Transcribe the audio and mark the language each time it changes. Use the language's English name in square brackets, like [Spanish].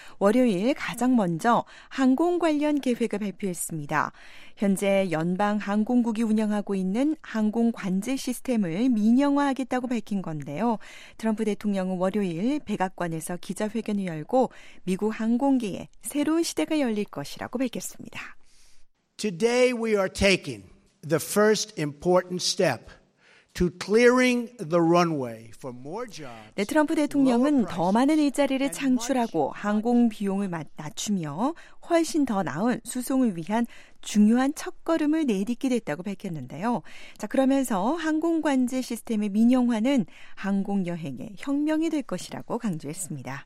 [Korean] 월요일 가장 먼저 항공 관련 계획을 발표했습니다. 현재 연방 항공국이 운영하고 있는 항공 관제 시스템을 민영화하겠다고 밝힌 건데요. 트럼프 대통령은 월요일 백악관에서 기자회견을 열고 미국 항공계에 새로운 시대가 열릴 것이라고 밝혔습니다. [English] Today we are taking the first important step to clearing the runway for more jobs. [Korean] 네, 트럼프 대통령은 더 많은 일자리를 창출하고 항공 비용을 낮추며 훨씬 더 나은 수송을 위한 중요한 첫걸음을 내딛게 됐다고 밝혔는데요. 자, 그러면서 항공 관제 시스템의 민영화는 항공 여행의 혁명이 될 것이라고 강조했습니다.